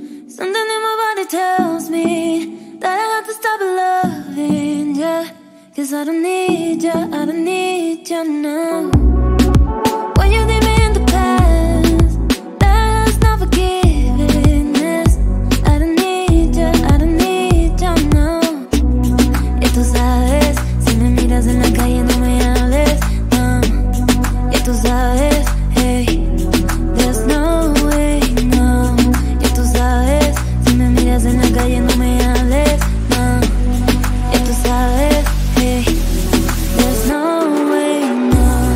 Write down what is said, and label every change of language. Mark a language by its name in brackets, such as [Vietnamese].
[English] Something in my body tells me that I have to stop loving ya. Cause I don't need ya, I don't need ya now. When you leave me in the past, that's not forgiveness. I don't need ya, I don't need ya now. [Spanish] Y tú sabes. En la calle no me hables, no. Y tú sabes, [English] hey, there's no way, no. [Spanish] Y tú sabes, si me miras en la calle no me hables, no. Y tú sabes, [English] hey, there's no way, no.